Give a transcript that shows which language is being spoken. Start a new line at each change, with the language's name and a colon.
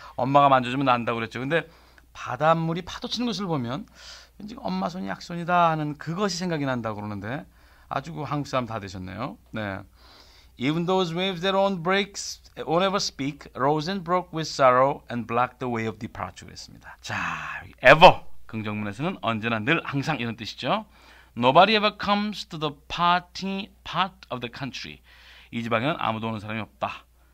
Korean: 엄마가 만져주면 난다고 그랬죠. 근데 바닷물이 파도 치는 것을 보면 왠지 엄마 손 약손이다 하는 그것이 생각이 난다고 그러는데 아주 한국 사람 다 되셨네요. 네.
English: Even those waves that won't break, won't ever speak, rose and broke with sorrow and blocked the way of departure.
Korean: 했습니다. 자, ever. 긍정문에서는 언제나 늘 항상 이런 뜻이죠.
English: Nobody ever comes to the parting part of the country.
Korean: 이 지방에는 아무도 오는 사람이 없다.